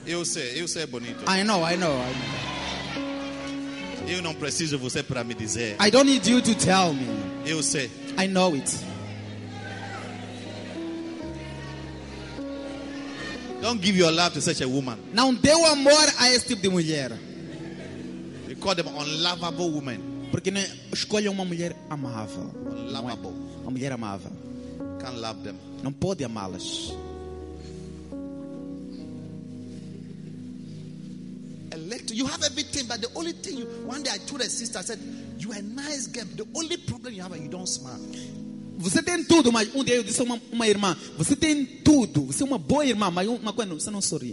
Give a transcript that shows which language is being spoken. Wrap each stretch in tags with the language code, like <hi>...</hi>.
<pt>Eu sei bonito.</pt> <en>I know.</en> <pt>Eu não preciso você para me dizer.</pt> <en>I don't need you to tell me.</en> <pt>Eu sei.</pt> <en>I know it. Don't give your love to such a woman.</en> <pt>Não dê o amor a esse tipo de mulher.</pt> <en>We call them unlovable women.</en> <pt>Porque não escolhe uma mulher amável.</pt> <en>Unlovable.</en> <pt>Uma mulher amável.</pt> <en>Can't love them.</en> <pt>Não pode amá-las.</pt> <en>Elect, you have everything, but the only thing you, one day I told a sister, I said, you are a nice girl. The only problem you have is you don't smile.</en> <pt>Você tem tudo, mas um dia eu disse a uma irmã, você tem tudo, você é uma boa irmã, mas uma coisa, você não sorri.</pt>